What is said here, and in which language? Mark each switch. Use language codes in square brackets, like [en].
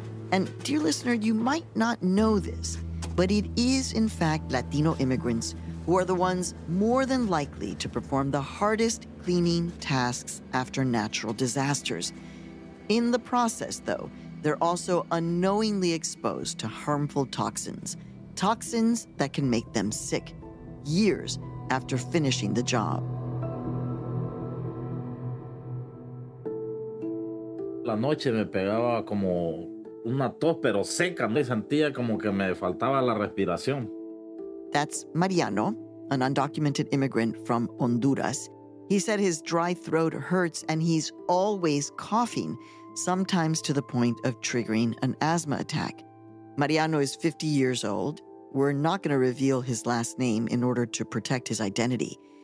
[en] And dear listener, you might not know this, but it is in fact Latino immigrants who are the ones more than likely to perform the hardest cleaning tasks after natural disasters. In the process, though, they're also unknowingly exposed to harmful toxins, toxins that can make them sick years after finishing the job. [es] La noche me pegaba como una tos, pero seca. Me sentía como que me faltaba la respiración. [en] That's Mariano, an undocumented immigrant from Honduras. He said his dry throat hurts and he's always coughing, sometimes to the point of triggering an asthma attack. Mariano is 50 years old. We're not going to reveal his last name in order to protect his identity.